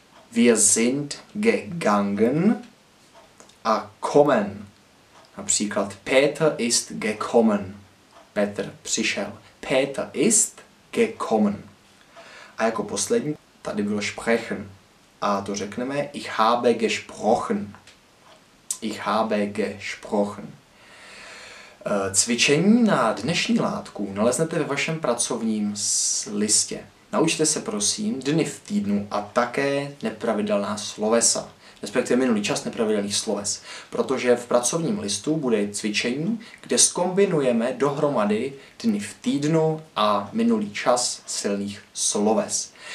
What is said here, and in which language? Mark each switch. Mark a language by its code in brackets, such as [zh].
[de] Wir sind gegangen a kommen. [cs] Například [de] Peter ist gekommen. [cs] Petr přišel. [de] Peter ist gekommen. [cs] A jako poslední tady bylo sprechen. A to řekneme [de] ich habe gesprochen. Ich habe gesprochen. [cs] Cvičení na dnešní látku naleznete ve vašem pracovním listě. Naučte se prosím dny v týdnu a také nepravidelná slovesa, respektive minulý čas nepravidelných sloves, protože v pracovním listu bude cvičení, kde zkombinujeme dohromady dny v týdnu a minulý čas silných sloves.